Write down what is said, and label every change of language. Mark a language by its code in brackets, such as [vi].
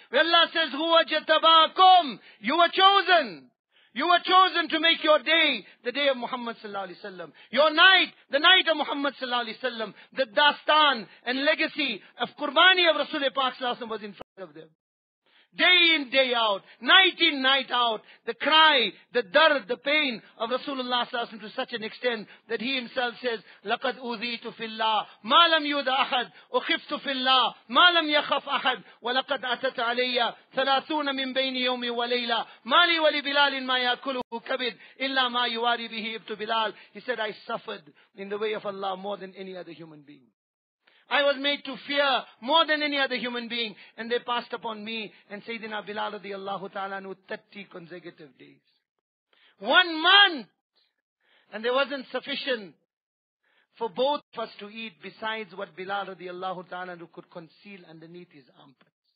[en] Allah says, "Huwa jatabakum." You were chosen. You were chosen to make your day the day of Muhammad sallallahu alaihi wasallam. Your night, the night of Muhammad sallallahu alaihi wasallam. The dastan and legacy of qurbani of Rasul Pak sallallahu alaihi wasallam was in front of them. Day in, day out. Night in, night out. [ar] The cry, the dard, the pain of Rasulullah sallallahu alaihi wasallam to such an extent that he himself says, لَقَدْ أُوذِيتُ فِي اللَّهِ مَا لَمْ يُوذَ أَحَدٌ أُخِفْتُ فِي اللَّهِ مَا لَمْ يَخَفْ أَحَدٌ وَلَقَدْ أَتَتْ عَلَيَّ ثَلَاثُونَ مِنْ بَيْنِ يَوْمِ وَلَيْلَةٍ مَا لِي وَلِبِلَالٍ مَا يَأْكُلُهُ كَبِدٌ إِلَّا مَا يُوَارِي بِهِ ابْنُ بِلَالٍ [en] He said, I suffered in the way of Allah more than any other human being. I was made to fear more than any other human being. And they passed upon me and Sayyidina Bilal radiallahu ta'ala anhu 30 consecutive days. 1 month. And there wasn't sufficient for both of us to eat besides what Bilal radiallahu ta'ala anhu could conceal underneath his armpits.